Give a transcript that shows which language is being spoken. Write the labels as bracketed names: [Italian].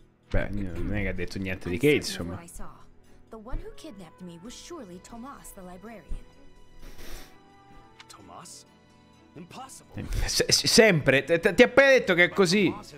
[Italian] Beh, non è che ha detto niente di che, insomma. [English] I saw. The one who kidnapped me was surely Tomas, the librarian. Tomas? Impossible. [Italian] Sempre, ti ha appena detto che è così.